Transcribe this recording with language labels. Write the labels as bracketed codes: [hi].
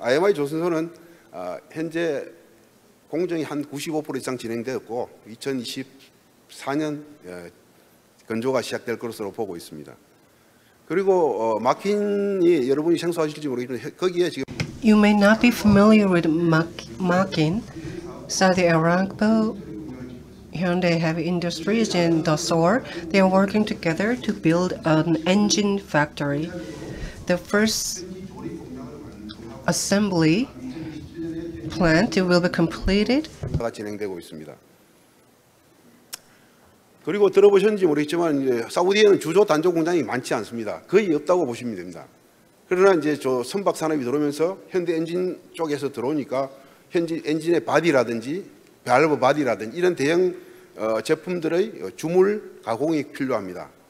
[ko] IMI 조선소는 현재 공정이 한 95% 이상 진행되었고 2024년 건조가 시작될 것으로 보고 있습니다. 그리고 마킨이 여러분이 생소하실지 모르겠는데 거기에 지금 [en] You may not be familiar with Makin. Saudi Aramco, Hyundai Heavy Industries and Dassault, they are working together to build an engine factory. The first assembly plant will be completed. [ko] 진행되고 있습니다. 그리고 들어보셨는지 모르겠지만 이제 사우디에는 주조 단조 공장이 많지 않습니다. 거의 없다고 보시면 됩니다. 그러나 이제 저 선박 산업이 들어오면서 현대 엔진 쪽에서 들어오니까 현지 엔진의 바디라든지 밸브 바디라든지 이런 대형 제품들의 주물 가공이 필요합니다.